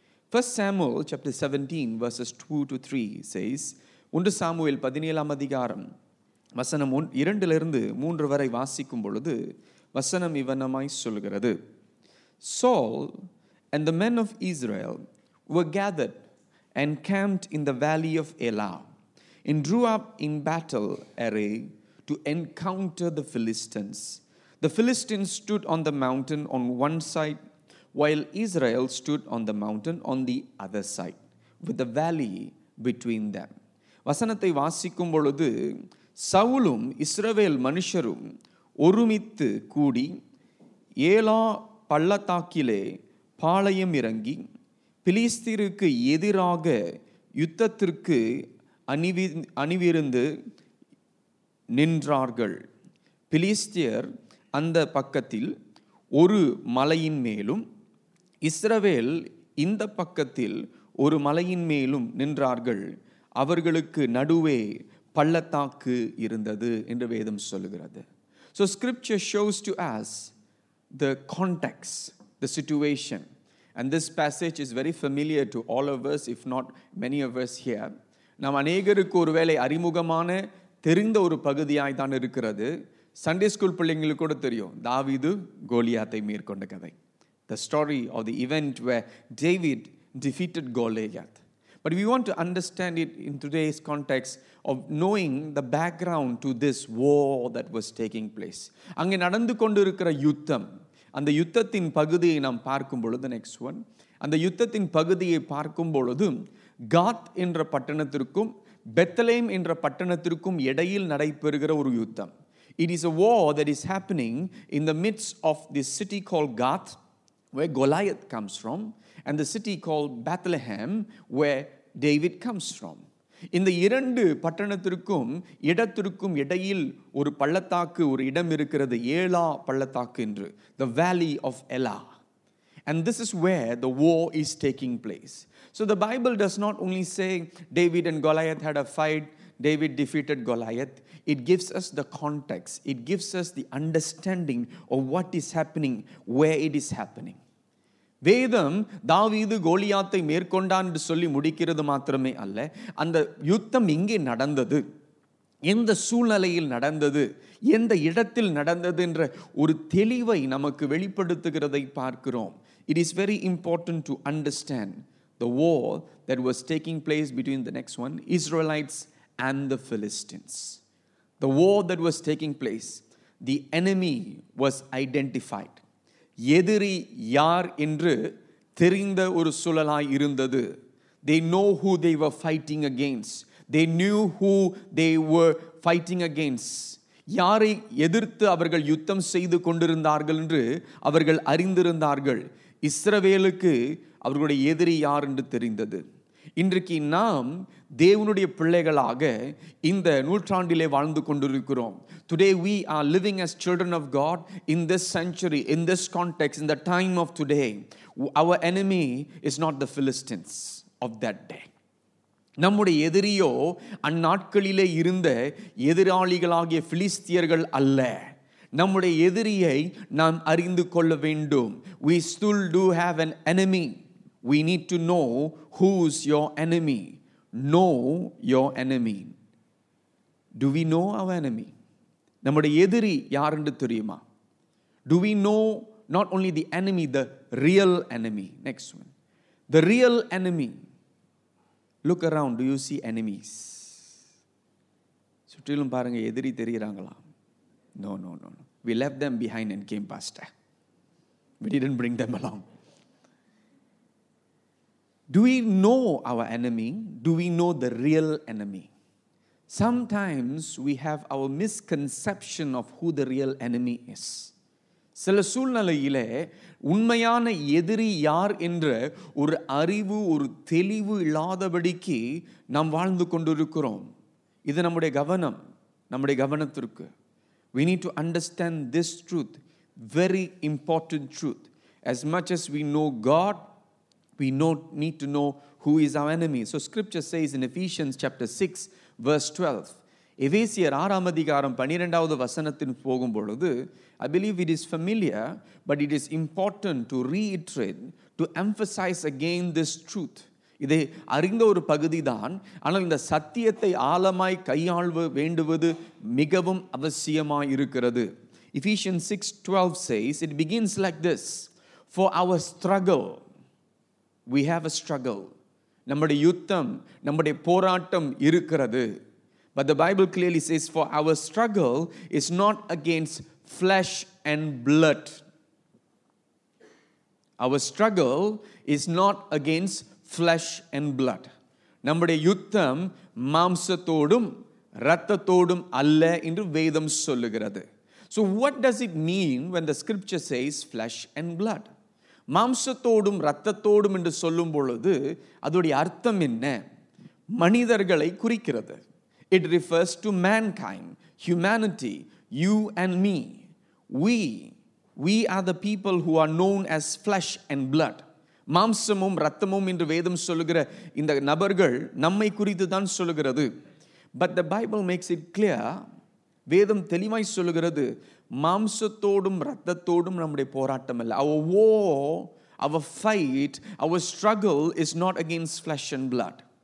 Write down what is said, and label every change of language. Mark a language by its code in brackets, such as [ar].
[en] 1 Samuel chapter 17 verses 2 to 3 says, [ta] 1 Samuel 17 அதிகாரம் வசனம் 2-3 வரை வாசிக்கும் பொழுது வசனம் இவனமாய் சொல்கிறது. [en] Saul and the men of Israel were gathered and camped in the valley of Elah and drew up in battle array to encounter the Philistines. The Philistines stood on the mountain on one side, while Israel stood on the mountain on the other side, with the valley between them. [ta] வசனத்தை வாசிக்கும் பொழுது சவுலும் இஸ்ரவேல் மனுஷரும் ஒருமித்து கூடி ஏலா பள்ளத்தாக்கிலே பாளையம் இறங்கி பிலிஸ்தீருக்கு எதிராக யுத்தத்திற்கு அணிவிருந்து நின்றார்கள். பிலிஸ்தியர் அந்த பக்கத்தில் ஒரு மலையின் மேலும் இஸ்ரவேல் இந்த பக்கத்தில் ஒரு மலையின் மேலும் நின்றார்கள். அவர்களுக்கு நடுவே பள்ளத்தாக்கு இருந்தது என்று வேதம் சொல்கிறது. [en] So scripture shows to us the context, the situation. And this passage is very familiar to all of us, if not many of us here. [ta] நாம் அநேகருக்கு ஒருவேளை அறிமுகமான தெரிந்த ஒரு பகுதியாய் தான் இருக்கிறது. சண்டே ஸ்கூல் பிள்ளைங்களுக்கு கூட தெரியும், தாவீது கோலியாத்தை மேற்கொண்ட கதை. [en] The story of the event where David defeated Goliath. But we want to understand it in today's context of knowing the background to this war that was taking place. [ta] அங்கு நடந்து கொண்டிருக்கிற யுத்தம், அந்த யுத்தத்தின் பகுதியை நாம் பார்க்கும் பொழுது, [en] next one, [ta] அந்த யுத்தத்தின் பகுதியை பார்க்கும் பொழுது காத் என்ற பட்டணத்திற்கும் பெத்லேம் என்ற பட்டணத்திற்கும் இடையில் நடைபெறுகிற ஒரு யுத்தம். [en] It is a war that is happening in the midst of this city called Gath, where Goliath comes from, and the city called Bethlehem, where David comes from. [ta] இந்த இரண்டு பட்டணத்திற்கும் இடத்திற்கும் இடையில் ஒரு பள்ளத்தாக்கு, ஒரு இடம் இருக்கிறது, ஏலா பள்ளத்தாக்கு என்று, [en] the valley of Elah. And this is where the war is taking place. So the Bible does not only say David and Goliath had a fight, David defeated Goliath. It gives us the context. It gives us the understanding of what is happening, where it is happening. [ta] வேதம் தாவீது கோலியாத்தை மேற்கொண்டான் என்று சொல்லி முடிக்கிறது மாத்திரமே அல்ல, அந்த யுத்தம் எங்கே நடந்தது, எந்த சூழ்நிலையில் நடந்தது, எந்த இடத்தில் நடந்தது என்ற ஒரு தெளிவை நமக்கு வெளிப்படுத்துகிறதை பார்க்கிறோம். [en] It is very important to understand the war that was taking place between the next one, Israelites and the Philistines. The war that was taking place, the enemy was identified. [ta] எதிரி யார் என்று தெரிந்த ஒரு சூழலாய் இருந்தது. [en] They know who they were fighting against. They knew who they were fighting against. [ta] யாரை எதிர்த்து அவர்கள் யுத்தம் செய்து கொண்டிருந்தார்கள் என்று அவர்கள் அறிந்திருந்தார்கள். இஸ்ரவேலுக்கு அவர்களுடைய எதிரி யார் என்று தெரிந்தது. இன்றைக்கு நாம் தேவனுடைய பிள்ளைகளாக இந்த நூற்றாண்டிலே வாழ்ந்து கொண்டிருக்கிறோம். [en] Today we are living as children of God in this century, in this context, in the time of today. Our enemy is not the Philistines of that day. [ta] நம்முடைய எதிரியோ அந்நாட்களிலே இருந்த எதிராளிகளாகிய பிலிஸ்தியர்கள் அல்ல. நம்முடைய எதிரியை நாம் அறிந்து கொள்ள வேண்டும். [en] We still do have an enemy. We need to know who's your enemy. Know your enemy. Do we know our enemy? [ta] நம்முடைய எதிரி யார் என்று தெரியுமா? [en] Do we know not only the enemy, the real enemy? Next one. The real enemy. Look around. Do you see enemies? [ta] சுற்றிலும் பாருங்க, எதிரி தெரிகிறாங்களா? [en] No. We left them behind and came past. We didn't bring them along. Do we know our enemy? Do we know the real enemy? Sometimes we have our misconception of who the real enemy is. [ta] சில சூழ்நிலையிலே உண்மையான எதிரி யார் என்ற ஒரு அறிவு, ஒரு தெளிவு இல்லாதபடிக்கு நாம் வாழ்ந்து கொண்டிருக்கிறோம். இது நம்முடைய கவனம், நம்முடைய கவனத்திற்கு. [en] We need to understand this truth, very important truth. As much as we know God, we need to know who is our enemy. So scripture says in Ephesians chapter 6, verse 12. Ephesians 6 [ta] அதிகாரம் 12வது வசனத்தின் போகும்பொழுது, [en] I believe it is familiar, but it is important to reiterate, to emphasize again this truth. [ta] இதை அறிந்த ஒரு பகுதிதான், ஆனால் இந்த சத்தியத்தை ஆழமாய் கையாள்வு வேண்டுவது மிகவும் அவசியமாய் இருக்கிறது. [en] Ephesians 6:12 says, it begins like this, for our struggle, we have a struggle. [ta] நம்முடைய யுத்தம், நம்முடைய போராட்டம் இருக்கிறது. [en] But the Bible clearly says, for our struggle is not against flesh and blood. Our struggle is not against flesh and blood. [ta] நம்முடைய யுத்தம் மாம்சத்தோடும் இரத்தத்தோடும் அல்ல என்று வேதம் சொல்லுகிறது. [en] So what does it mean when the scripture says flesh and blood? [ta] மாம்சத்தோடும் இரத்தத்தோடும் என்று சொல்லும் பொழுது அதோடைய அர்த்தம் என்ன? மனிதர்களை குறிக்கிறது. [en] It refers to mankind, humanity, you and me. We are the people who are known as flesh and blood. [ta] மாம்சமும் ரத்தமும் என்று வேதம் சொல்லுகிற இந்த நபர்கள் நம்மை குறித்து தான் சொல்லுகிறது. [en] but the Bible makes it clear, [ta] வேதம் தெளிவாய் சொல்லுகிறது, மாம்சத்தோடும் ரத்தத்தோடும் நம்முடைய போராட்டம் இல்லை. [en] Our oh our fight our struggle is not against flesh and blood.